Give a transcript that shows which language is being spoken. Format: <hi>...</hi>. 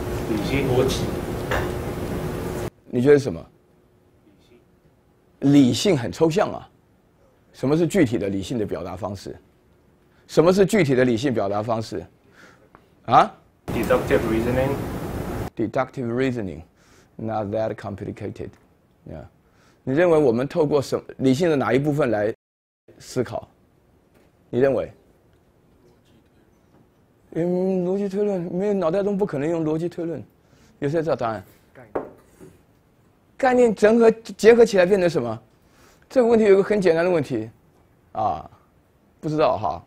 <zh>理性逻辑。你觉得什么？理性很抽象啊，什么是具体的理性的表达方式？什么是具体的理性表达方式？啊</zh> <en>？Deductive reasoning. Deductive reasoning, not that complicated. Yeah.</en> <zh>你认为我们透过什么理性的哪一部分来思考？你认为？逻辑推论，没有脑袋中不可能用逻辑推论。有谁知道答案？概念整合结合起来变成什么？这个问题有个很简单的问题，啊，不知道哈。</zh>